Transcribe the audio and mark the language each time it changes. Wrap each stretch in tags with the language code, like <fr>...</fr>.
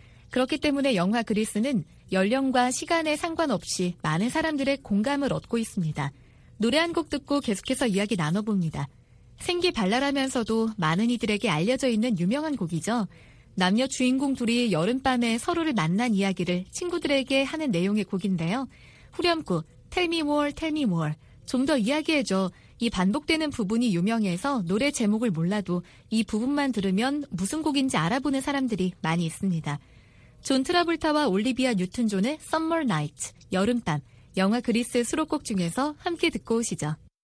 <ko>그렇기 때문에 영화 그리스는 연령과 시간에 상관없이 많은 사람들의 공감을 얻고 있습니다. 노래 한 곡 듣고 계속해서 이야기 나눠봅니다. 생기 발랄하면서도 많은 이들에게 알려져 있는 유명한 곡이죠. 남녀 주인공 둘이 여름밤에 서로를 만난 이야기를 친구들에게 하는 내용의 곡인데요. 후렴구</ko> <en>Tell me more, tell me more,</en> <ko>좀 더 이야기해줘. 이 반복되는 부분이 유명해서 노래 제목을 몰라도 이 부분만 들으면 무슨 곡인지 알아보는 사람들이 많이 있습니다. 존 트라볼타와 올리비아 뉴튼 존의 Summer Night, 여름밤, 영화 그리스 수록곡 중에서 함께 듣고 오시죠.</ko>